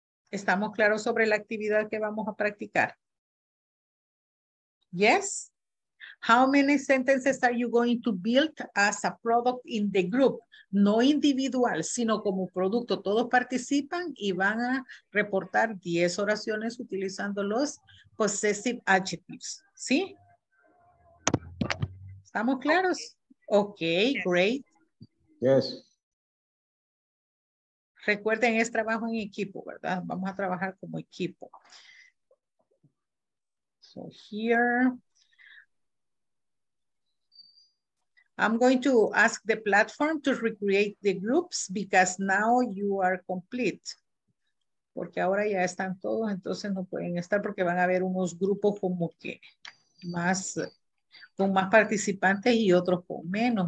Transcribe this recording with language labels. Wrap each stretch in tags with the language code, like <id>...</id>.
<es>¿Estamos claros sobre la actividad que vamos a practicar?</es> <en>Yes. How many sentences are you going to build as a product in the group?</en> <es>No individual, sino como producto. Todos participan y van a reportar 10 oraciones utilizando los possessive adjectives. ¿Sí? ¿Estamos claros?</es> <en>Okay, yes. Great. Yes.</en> <es>Recuerden, es trabajo en equipo, ¿verdad? Vamos a trabajar como equipo.</es> <en>So here, I'm going to ask the platform to recreate the groups because now you are complete.</en> <es>Porque ahora ya están todos, entonces no pueden estar porque van a haber unos grupos como que más, con más participantes y otros con menos.</es>